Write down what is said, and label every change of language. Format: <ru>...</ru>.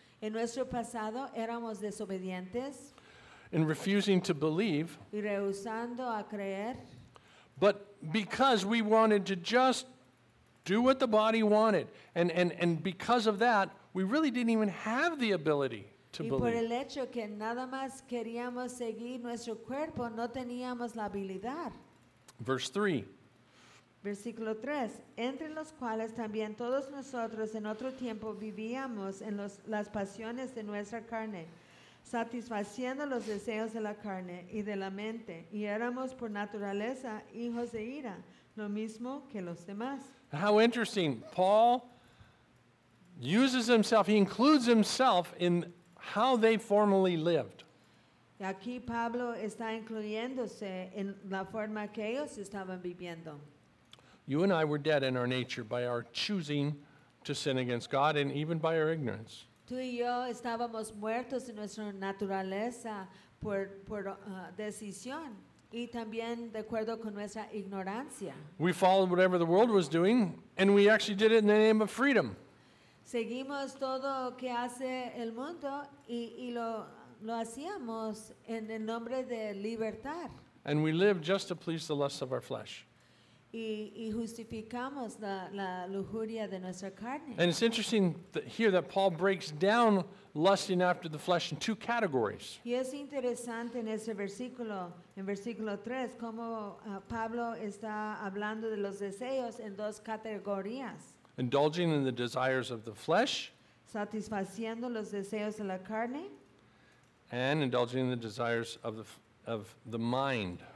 <es>En nuestro pasado, éramos desobedientes.</es> <en>In refusing to believe.</en> <es>Y rehusando a creer.</es> <en>But because we wanted to just do what the body wanted. And because of that, we really didn't even have the ability to believe.</en> <es>Y por el hecho que nada más queríamos seguir nuestro cuerpo, no teníamos la habilidad.</es> <en>Verse 3.</en> <es>Versículo 3, entre los cuales también todos nosotros en otro tiempo vivíamos en las pasiones de nuestra carne, satisfaciendo los deseos de la carne y de la mente, y éramos por naturaleza hijos de ira, lo mismo que los demás.</es> <en>How interesting. Paul uses himself, he includes himself in how they formerly lived.</en> <es>Aquí Pablo está incluyéndose en la forma que ellos estaban viviendo.</es> <en>You and I were dead in our nature by our choosing to sin against God and even by our ignorance.</en> <es>Tú y yo estábamos muertos en nuestra naturaleza por decisión y también de acuerdo con nuestra ignorancia.</es> <en>We followed whatever the world was doing, and we actually did it in the name of freedom.</en> <es>Seguimos todo lo que hace el mundo y lo hacíamos en el nombre de libertad.</es> <en>And we lived just to please the lusts of our flesh.</en> <es>Y justificamos la lujuria de nuestra carne.</es> <en>And it's interesting here that Paul breaks down lusting after the flesh in two categories.</en> <es>Y es interesante en ese versículo, en versículo 3, cómo Pablo está hablando de los deseos en dos categorías.</es> <en>Indulging in the desires of the flesh.</en> <es>Satisfaciendo los deseos de la carne.</es> <en>And indulging in the desires of the mind.</en>